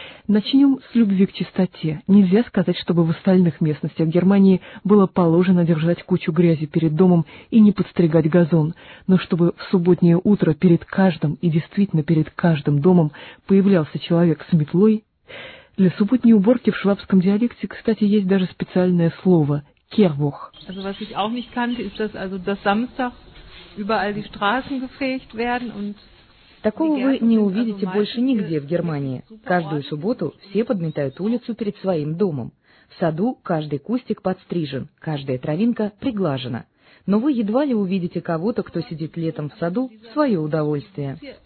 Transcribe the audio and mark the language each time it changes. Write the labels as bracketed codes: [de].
[ru] Начнем с любви к чистоте. Нельзя сказать, чтобы в остальных местностях Германии было положено держать кучу грязи перед домом и не подстригать газон. Но чтобы в субботнее утро перед каждым и действительно перед каждым домом появлялся человек с метлой... Для субботней уборки в швабском диалекте, кстати, есть даже специальное слово – Кервух. [de] Also was ich auch nicht kannte, ist, dass also das Samstag überall die Straßen gefegt werden und [ru] такого вы не увидите больше нигде в Германии. Каждую субботу все подметают улицу перед своим домом. В саду каждый кустик подстрижен, каждая травинка приглажена. Но вы едва ли увидите кого-то, кто сидит летом в саду, в свое удовольствие.